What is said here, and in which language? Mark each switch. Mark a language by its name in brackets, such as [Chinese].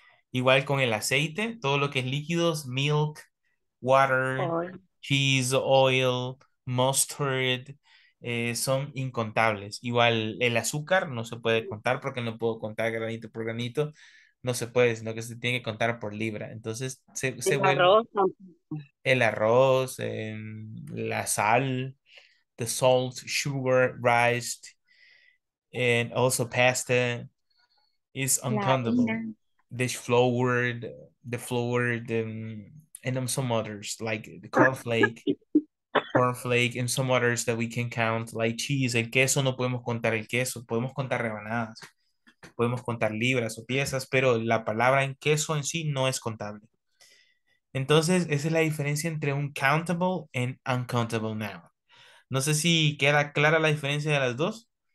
[Spanish] Igual con el aceite, todo lo que es líquidos, [English] milk, water, cheese, oil, mustard, [Spanish] son incontables. Igual el azúcar no se puede contar porque no puedo contar granito por granito. No se puede, sino que se tiene que contar por libra. Entonces, se vuelve... Arroz. El arroz, la sal, [English] the salt, sugar, rice, and also pasta, is uncountable. This flour, and some others, like the cornflake, and some others that we can count, like cheese. [Spanish] El queso, no podemos contar el queso. Podemos contar rebanadas. Podemos contar libras o piezas, pero la palabra en queso en sí no es contable. Entonces, esa es la diferencia entre un [English] countable and uncountable noun. [Spanish] No sé si queda clara la diferencia de las dos.